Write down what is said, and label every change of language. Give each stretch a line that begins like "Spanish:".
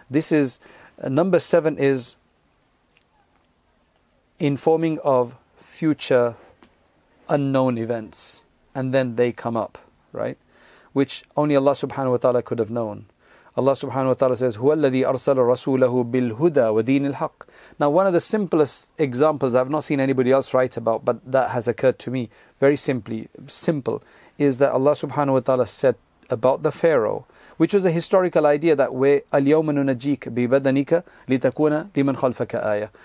English: This is, number seven is informing of future unknown events. And then they come up, right? Which only Allah subhanahu wa ta'ala could have known. Allah subhanahu wa ta'ala says,
Arabic: هُوَ الَّذِي أَرْسَلَ رَسُولَهُ بِالْهُدَى وَدِينِ الْحَقِّ.
English: Now, one of the simplest examples I've not seen anybody else write about, but that has occurred to me very simple, is that Allah subhanahu wa ta'ala said about the Pharaoh, which was a historical idea that
Arabic: وَالْيَوْمَ نُنَجِّيكَ بِبَدَنِكَ لِتَكُونَ لِمَنْ خَلْفَكَ آيَةً.